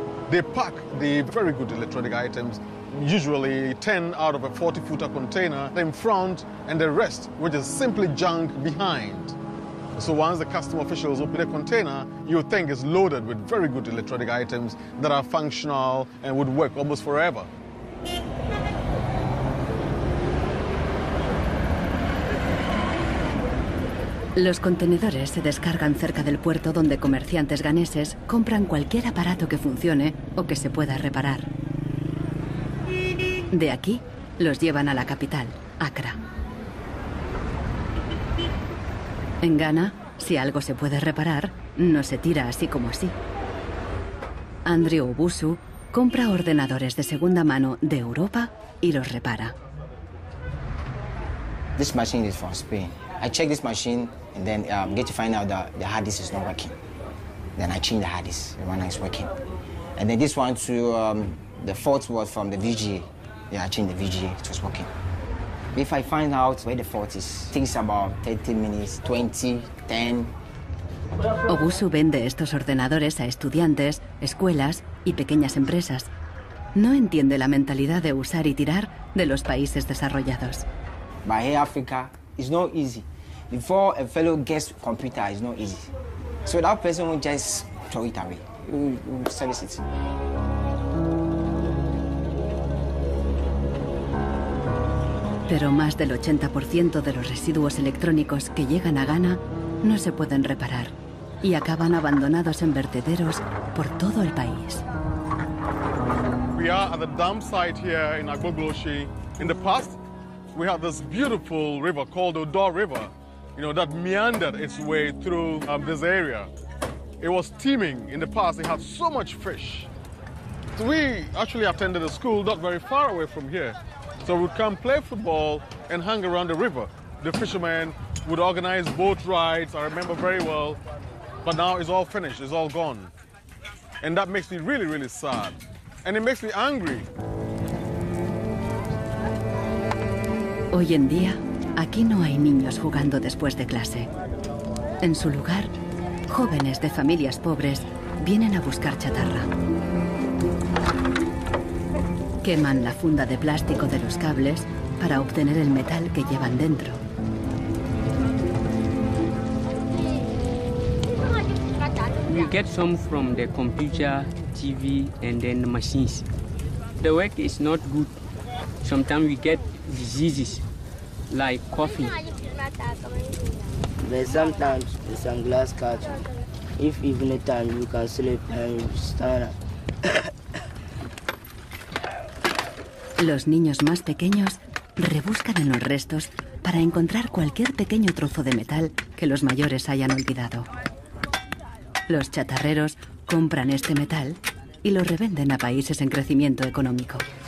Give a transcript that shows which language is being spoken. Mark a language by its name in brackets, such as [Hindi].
[English] They pack the very good electronic items, usually 10 out of a 40-footer container in front, and the rest, which is simply junk, behind. So once the customs officials open a container, you think it's loaded with very good electronic items that are functional and would work almost forever. [Spanish] Los contenedores se descargan cerca del puerto donde comerciantes ganeses compran cualquier aparato que funcione o que se pueda reparar. De aquí, los llevan a la capital, Accra. En Ghana, si algo se puede reparar, no se tira así como así. Andrew Obusu compra ordenadores de segunda mano de Europa y los repara. [English] This machine is from Spain. I check this machine and then get to find out that the hard disk is not working. Then I change the hard disk, the one that is working. And then this one too, the fault was from the VGA. Yeah, I changed the VGA, it was working. If I find out where the fault is, things about 30 minutes, 20, 10. [Spanish] Obusu vende estos ordenadores a estudiantes, escuelas y pequeñas empresas. No entiende la mentalidad de usar y tirar de los países desarrollados. [English] But here, Africa, it's not easy. Before a fellow gets a computer, it's not easy. So that person will just throw it away, will service it. [Spanish] Pero más del 80% de los residuos electrónicos que llegan a Ghana no se pueden reparar y acaban abandonados en vertederos por todo el país. [English] We are at the dump site here in Agogloshi. In the past, we had this beautiful river called Odor River, you know, that meandered its way through this area. It was teeming in the past. It had so much fish. So we actually attended a school not very far away from here. So we'd come play football and hang around the river. The fishermen would organize boat rides, I remember very well. But now it's all finished, it's all gone. And that makes me really, really sad. And it makes me angry. [Spanish] Hoy en día, aquí no hay niños jugando después de clase. En su lugar, jóvenes de familias pobres vienen a buscar chatarra. Queman la funda de plástico de los cables para obtener el metal que llevan dentro. [English] We get some from the computer, TV, and then the machines. The work is not good. Sometimes we get diseases, like coughing. But sometimes the sunglass catch. If evening time you can sleep and you stand up. [Spanish] Los niños más pequeños rebuscan en los restos para encontrar cualquier pequeño trozo de metal que los mayores hayan olvidado. Los chatarreros compran este metal y lo revenden a países en crecimiento económico.